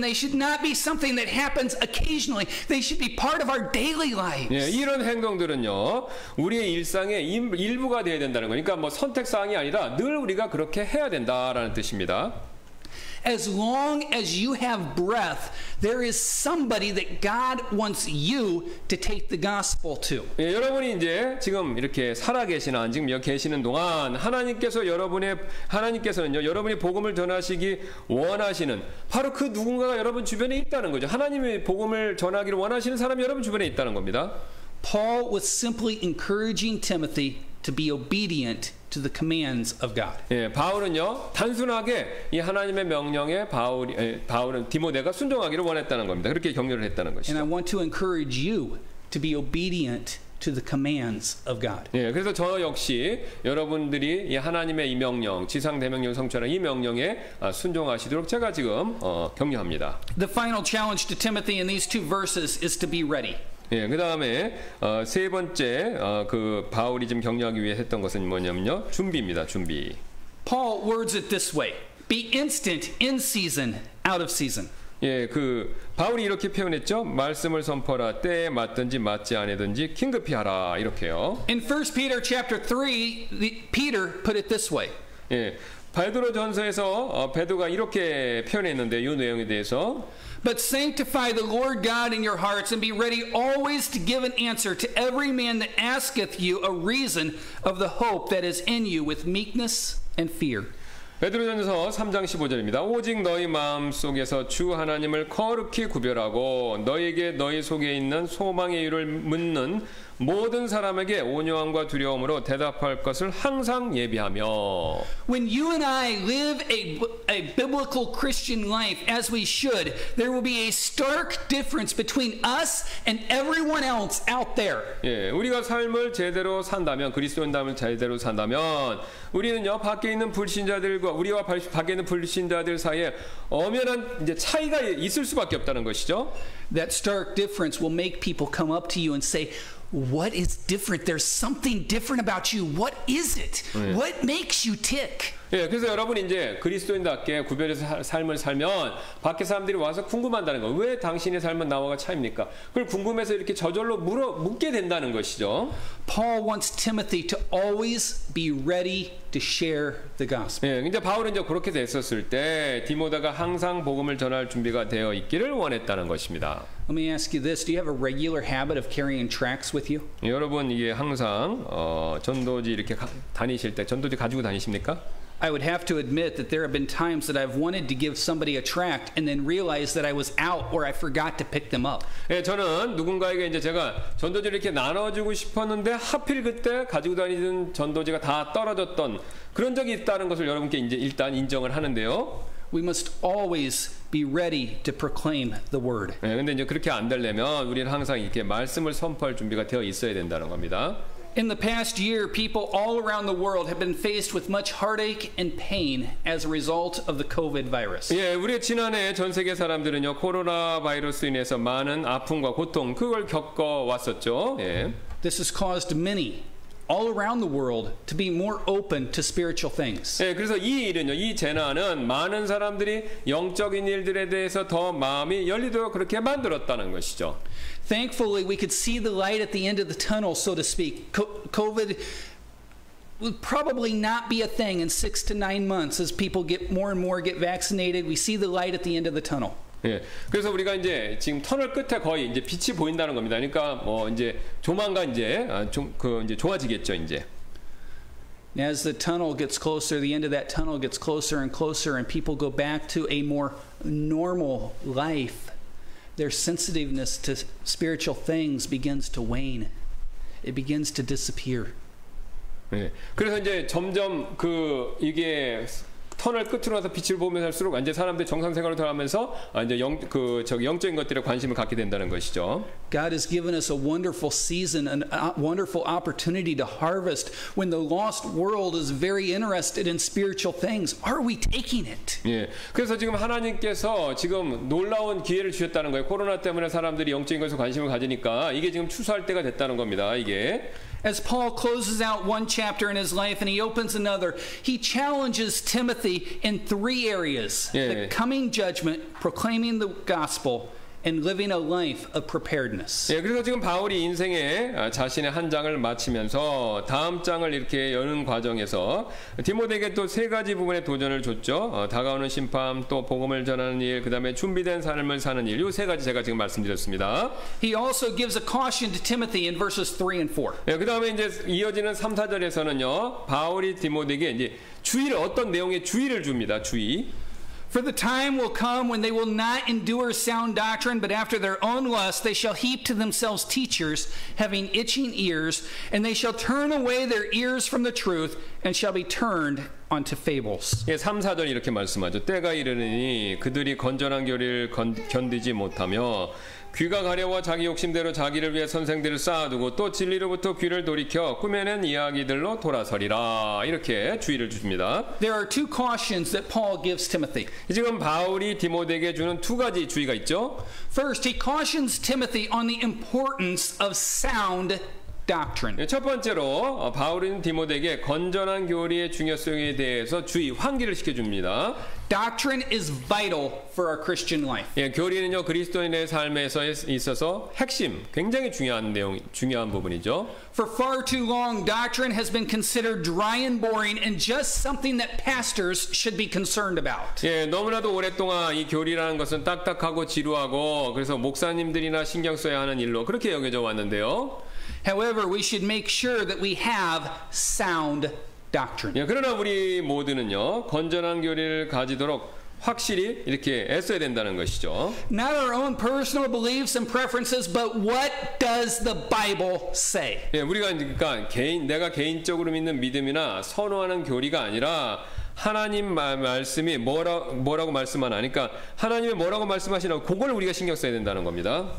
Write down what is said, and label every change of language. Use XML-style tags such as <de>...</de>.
<en>They should not be something that happens occasionally. They should be part of our daily lives.</en> <ko>예, 이런 행동들은요 우리의 일상의 일부가 되어야 된다는 거니까 뭐 선택 사항이 아니라 늘 우리가 그렇게 해야 된다라는 뜻입니다.</ko> <en>As long as you have breath, there is somebody that God wants you to take the gospel to.</en> <ko>예, 여러분이 이제 지금 이렇게 살아계시나 지금 여기 계시는 동안 하나님께서 여러분의 하나님께서는요 여러분이 복음을 전하시기 원하시는 바로 그 누군가가 여러분 주변에 있다는 거죠. 하나님이 복음을 전하기를 원하시는 사람이 여러분 주변에 있다는 겁니다.</ko> <en>Paul was simply encouraging Timothy to be obedient to the commands of God.</en> <ko>예, 바울은요 단순하게 이 하나님의 명령에 바울은 디모데가 순종하기를 원했다는 겁니다. 그렇게 격려를 했다는 것이죠.</ko> <en>And I want to encourage you to be obedient to the commands of God.</en> <ko>예, 그래서 저 역시 여러분들이 이 하나님의 이 명령, 지상 대명령 성취하는 이 명령에 순종하시도록 제가 지금 격려합니다.</ko> <en>The final challenge to Timothy in these two verses is to be ready.</en> <ko>예, 그다음에 세 번째 그 바울이 좀 격려하기 위해 했던 것은 뭐냐면요. 준비입니다. 준비.</ko> <en>Paul words it this way. Be instant in season, out of season.</en> <ko>예, 그 바울이 이렇게 표현했죠. 말씀을 선포하라 때에 맞든지 맞지 않든지 긴급히 하라. 이렇게요.</ko> <en>In 1 Peter chapter 3, Peter put it this way.</en> <ko>예. 베드로 전서에서 베드로가 이렇게 표현했는데 이 내용에 대해서</ko> <en>But sanctify the Lord God in your hearts and be ready always to give an answer to every man that asketh you a reason of the hope that is in you with meekness and fear.</en> <ko>베드로전서 3장 15절입니다. 오직 너희 마음 속에서 주 하나님을 거룩히 구별하고 너희에게 너희 속에 있는 소망의 이유를 묻는 모든 사람에게 온유함과 두려움으로 대답할 것을 항상 예비하며</ko> <en>When you and I live a biblical Christian life as we should, there will be a stark difference between us and everyone else out there.</en> <ko>예, 우리가 삶을 제대로 산다면 그리스도인답게 제대로 산다면 우리는요 밖에 있는 불신자들과 우리와 밖에 있는 불신자들 사이에 엄연한 이제 차이가 있을 수밖에 없다는 것이죠.</ko> <en>That stark difference will make people come up to you and say What is different? There's something different about you. What is it?</en> <ko>네.</ko> <en>What makes you tick?</en> <ko>예, 그래서 여러분 이제 그리스도인답게 구별해서 삶을 살면 밖에 사람들이 와서 궁금한다는 거. 왜 당신의 삶은 나와가 차입니까? 그걸 궁금해서 이렇게 저절로 묻게 된다는 것이죠.</ko> <en>Paul wants Timothy to always be ready to share the gospel.</en> <ko>예, 이제 바울은 이제 그렇게 됐었을 때 디모데가 항상 복음을 전할 준비가 되어 있기를 원했다는 것입니다.</ko> <en>Let me ask you this. Do you have a regular habit of carrying tracts with you?</en> <ko>여러분 이게 항상 전도지 이렇게 다니실 때 전도지 가지고 다니십니까?</ko> <en>I would have to admit that there have been times that I've wanted to give somebody a tract and then realize that I was out or I forgot to pick them up.</en> <ko>예, 저는 누군가에게 이제 제가 전도지를 이렇게 나눠주고 싶었는데 하필 그때 가지고 다니던 전도지가 다 떨어졌던 그런 적이 있다는 것을 여러분께 이제 일단 인정을 하는데요.</ko> <en>We must always be ready to proclaim the word.</en> <ko>예, 근데 이제 그렇게 안 되려면 우리는 항상 이렇게 말씀을 선포할 준비가 되어 있어야 된다는 겁니다.</ko> <en>In the past year, people all around the world have been faced with much heartache and pain as a result of the COVID virus.</en> <ko>예, 우리 지난해 전 세계 사람들은요, 코로나 바이러스 인해서 많은 아픔과 고통 그걸 겪어 왔었죠. 예.</ko> <en>This has caused many all around the world to be more open to spiritual things.</en> <ko>예, 그래서 이 일은요, 이 재난은 많은 사람들이 영적인 일들에 대해서 더 마음이 열리도록 그렇게 만들었다는 것이죠.</ko> <en>Thankfully, we could see the light at the end of the tunnel, so to speak. COVID will probably not be a thing in 6 to 9 months as people get more and more get vaccinated. We see the light at the end of the tunnel.</en> <ko>예, 그래서 우리가 이제 지금 터널 끝에 거의 이제 빛이 보인다는 겁니다. 그러니까 뭐 이제 조만간 이제 좀 그 이제 좋아지겠죠, 이제.</ko> <en>As the tunnel gets closer, the end of that tunnel gets closer and closer, and people go back to a more normal life, their sensitiveness to spiritual things begins to wane. It begins to disappear.</en> <ko>예, 그래서 이제 점점 그 이게 터널 끝으로 나서 빛을 보면서 할수록 이제 사람들이 정상 생활을 돌아가면서 이제 영적인 것들에 관심을 갖게 된다는 것이죠.</ko> <en>God has given us a wonderful season, a wonderful opportunity to harvest when the lost world is very interested in spiritual things. Are we taking it?</en> <ko>예. 그래서 지금 하나님께서 지금 놀라운 기회를 주셨다는 거예요. 코로나 때문에 사람들이 영적인 것에 관심을 가지니까 이게 지금 추수할 때가 됐다는 겁니다. 이게.</ko> <en>As Paul closes out one chapter in his life and he opens another, he challenges Timothy in three areas: the coming judgment, proclaiming the gospel, and living a life of preparedness.</en> <ko>예, 그래서 지금 바울이 인생의 자신의 한 장을 마치면서 다음 장을 이렇게 여는 과정에서 디모데에게 또 세 가지 부분의 도전을 줬죠. 다가오는 심판, 또 복음을 전하는 일, 그다음에 준비된 삶을 사는 일. 이 세 가지 제가 지금 말씀드렸습니다.</ko> <en>He also gives a caution to Timothy in verses 3 and 4.</en> <ko>예, 그다음에 이제 이어지는 3, 4절에서는요. 바울이 디모데에게 이제 주의를 어떤 내용의 주의를 줍니다. 주의.</ko> <en>For the time will come when they will not endure sound doctrine, but after their own lust they shall heap to themselves teachers, having itching ears, and they shall turn away their ears from the truth, and shall be turned unto fables.</en> <ko>예, 3, 4절 이렇게 말씀하죠. 때가 이르니 그들이 건전한 교리를 견디지 못하며 귀가 가려워 자기 욕심대로 자기를 위해 선생들을 쌓아두고 또 진리로부터 귀를 돌이켜 꾸며낸 이야기들로 돌아서리라. 이렇게 주의를 주십니다.</ko> <en>There are two cautions that Paul gives Timothy.</en> <ko>지금 바울이 디모데에게 주는 두 가지 주의가 있죠.</ko> <en>First, he cautions Timothy on the importance of sound doctrine.</en> <ko>첫 번째로 바울은 디모데에게 건전한 교리의 중요성에 대해서 주의 환기를 시켜 줍니다.</ko> <en>Doctrine is vital for our Christian life.</en> <ko>예, 교리는요 그리스도인의 삶에서 있어서 핵심, 굉장히 중요한 내용, 중요한 부분이죠.</ko> <en>For far too long, doctrine has been considered dry and boring, and just something that pastors should be concerned about.</en> <ko>예, 너무나도 오랫동안 이 교리라는 것은 딱딱하고 지루하고 그래서 목사님들이나 신경 써야 하는 일로 그렇게 여겨져 왔는데요.</ko> <en>However, we should make sure that we have sound doctrine.</en> <ko>예, 그러나 우리 모두는요, 건전한 교리를 가지도록 확실히 이렇게 애써야 된다는 것이죠.</ko> <en>Not our own personal beliefs and preferences, but what does the Bible say?</en> <ko>예, 우리가 그러니까 내가 개인적으로 믿는 믿음이나 선호하는 교리가 아니라 하나님 말씀이 뭐라고 말씀하나니까 하나님이 뭐라고 말씀하시나 그걸 우리가 신경 써야 된다는 겁니다.</ko>